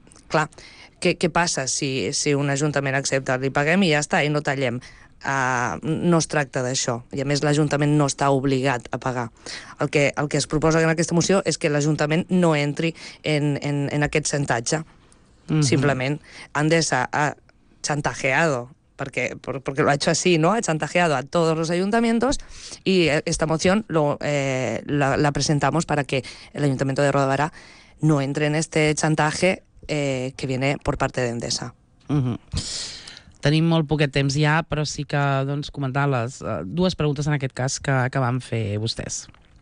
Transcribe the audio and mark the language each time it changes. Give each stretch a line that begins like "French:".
Catalan: Clar, què passa si un ajuntament accepta, li paguem i ja està, i no tallem? No es tracta d'això. I a més, l'Ajuntament no està obligat a pagar. El que es proposa en aquesta moció és que l'Ajuntament no entri en aquest xantatge. Mm-hmm.
Spanish: Simplement, Endesa ha chantajeado, porque lo ha hecho así, ¿no? Ha chantajeado a todos los ayuntamientos, y esta moción la presentamos para que el Ayuntamiento de Roda Bará no entre en este chantaje que viene por parte de Endesa. Mm-hmm.
Catalan: Tenim molt poquet temps ja, però sí que, doncs, comentar les dues preguntes en aquest cas que van fer vostès.